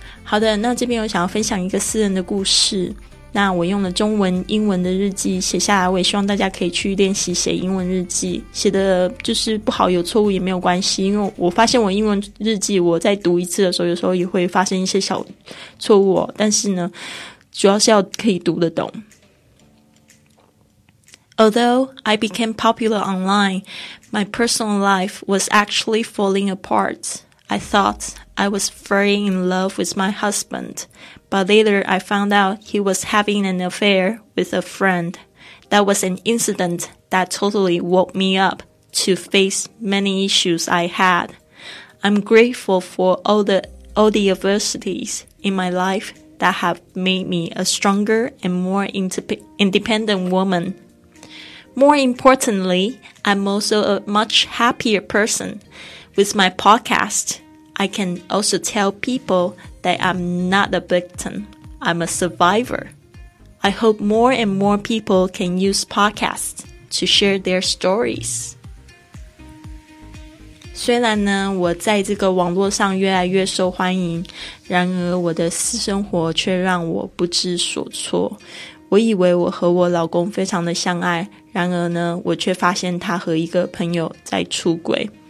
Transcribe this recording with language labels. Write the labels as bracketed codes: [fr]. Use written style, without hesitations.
[zh] 好的，那这边我想要分享一个私人的故事，那我用了中文英文的日记写下来，我也希望大家可以去练习写英文日记，写的就是不好有错误也没有关系，因为我发现我英文日记我在读一次的时候有时候也会发生一些小错误、哦、但是呢主要是要可以读得懂。 [en] Although I became popular online, my personal life was actually falling apart. I thought I was falling in love with my husband, but later I found out he was having an affair with a friend. That was an incident that totally woke me up to face many issues I had. I'm grateful for all the adversities in my life that have made me a stronger and more independent woman. More importantly, I'm also a much happier person. With my podcast, I can also tell people that I'm not a victim. I'm a survivor. I hope more and more people can use podcasts to share their stories. [zh] 虽然呢，我在这个网络上越来越受欢迎，然而我的私生活却让我不知所措。我以为我和我老公非常的相爱，然而呢，我却发现他和一个朋友在出轨。